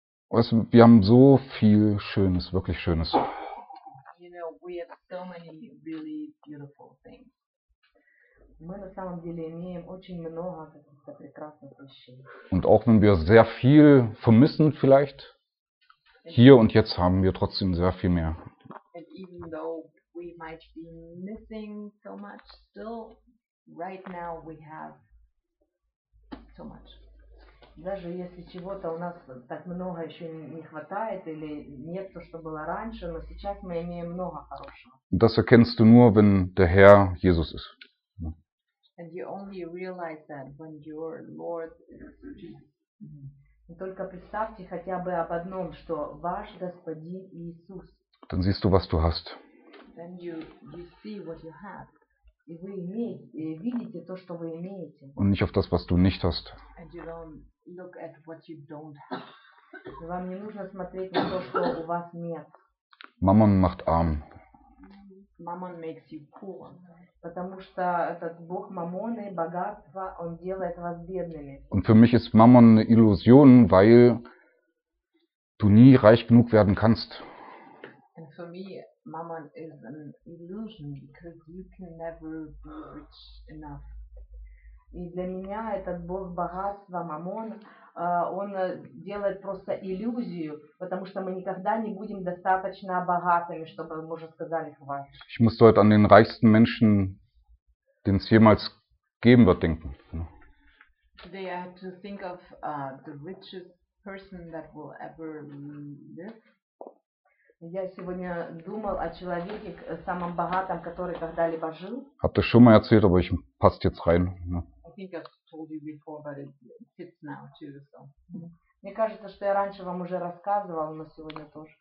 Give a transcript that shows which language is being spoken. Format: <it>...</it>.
<de>Weißt du, wir haben so viel Schönes, wirklich Schönes.</de> <en>You know, we have so many really beautiful things.</en> <ru>Мы на самом деле имеем очень много каких-то прекрасных вещей.</ru> <de>Und auch wenn wir sehr viel vermissen vielleicht, hier und jetzt haben wir trotzdem sehr viel mehr.</de> <en>And even though we might be missing so much, still right now we have so much.</en> <ru>Даже если чего-то у нас так много еще не хватает или нет то, что было раньше, но сейчас мы имеем много хорошего.</ru> <de>Das erkennst du nur, wenn der Herr Jesus ist.</de> <en>And you only realize that when your Lord is Jesus.</en> <ru>Только представьте хотя бы об одном, что ваш Господин Иисус.</ru> <de>Dann siehst du, was du hast.</de> <en>Then you see what you have.</en> <ru>И вы имеете, и видите то, что вы имеете.</ru> <de>Und nicht auf das, was du nicht hast.</de> <en>And you don't look at what you don't have.</en> <ru>Вам не нужно смотреть на то, что у вас нет.</ru> <de>Mammon macht arm.</de> <en>Mammon makes you poor.</en> <ru>Потому что этот бог Мамоны, богатство, он делает вас бедными.</ru> <de>Und für mich ist Mammon eine Illusion, weil du nie reich genug werden kannst.</de> <en>And for me, Mammon is an illusion because you can never be rich enough.</en> <ru>И для меня этот бог богатства Мамон, он делает просто иллюзию, потому что мы никогда не будем достаточно богатыми, чтобы мы уже сказали хватит.</ru> <de>Ich muss heute an den reichsten Menschen, den es jemals geben wird, denken.</de> <en>Today I have to think of the richest person that will ever live.</en> <ru>Я сегодня думал о человеке, самом богатом, который когда-либо жил.</ru> <de>Hab das schon mal erzählt, aber ich passt jetzt rein.</de> <en>I think I've told you before, but it fits now too. So.</en> <ru>Мне кажется, что я раньше вам уже рассказывал, но сегодня тоже.</ru>